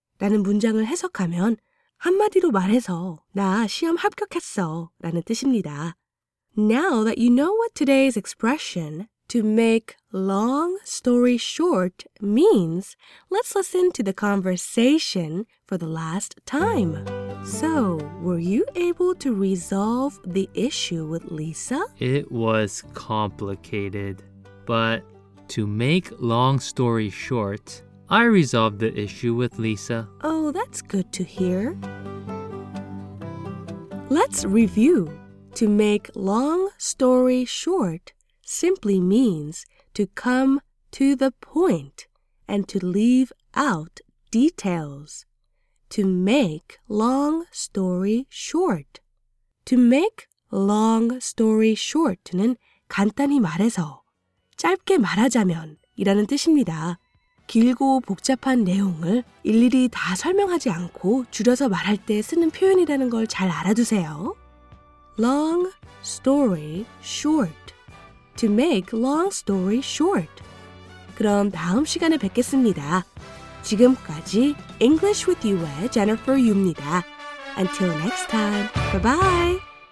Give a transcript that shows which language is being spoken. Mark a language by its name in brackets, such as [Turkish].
[Korean] 라는 문장을 해석하면 한마디로 말해서 나 시험 합격했어 라는 뜻입니다. [English] Now that you know what today's expression to make long story short means, let's listen to the conversation for the last time. So, were you able to resolve the issue with Lisa? It was complicated, but to make long story short, I resolved the issue with Lisa. Oh, that's good to hear. Let's review. To make long story short simply means to come to the point and to leave out details. To make long story short. To make long story short [Korean] 는 간단히 말해서, 짧게 말하자면 이라는 뜻입니다. 길고 복잡한 내용을 일일이 다 설명하지 않고 줄여서 말할 때 쓰는 표현이라는 걸 잘 알아두세요. [English] Long story short. To make long story short. [Korean] 그럼 다음 시간에 뵙겠습니다. 지금까지 [English] English with You의 Jennifer Yu입니다. Until next time, bye-bye!